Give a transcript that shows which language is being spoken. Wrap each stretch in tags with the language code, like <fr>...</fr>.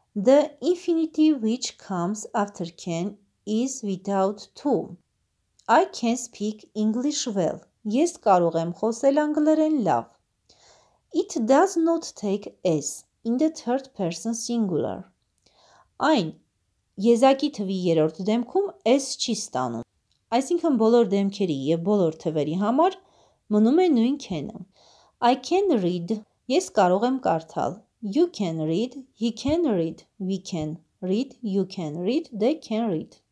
<en>The infinitive which comes after can is without to. I can speak English well.</en> <hy>Ես կարող եմ խոսել անգլերեն լավ.</hy> <en>It does not take s in the third person singular.</en> <hy>Այն եզակի թվի երրորդ դեմքում s չի ստանում։ Այսինքն բոլոր դեմքերի եւ բոլոր թվերի համար մնում է նույն can-ը։</hy> <en>I can read.</en> <hy>Ես կարող եմ կարդալ։</hy> <en>You can read, he can read, we can read, you can read, they can read.</en>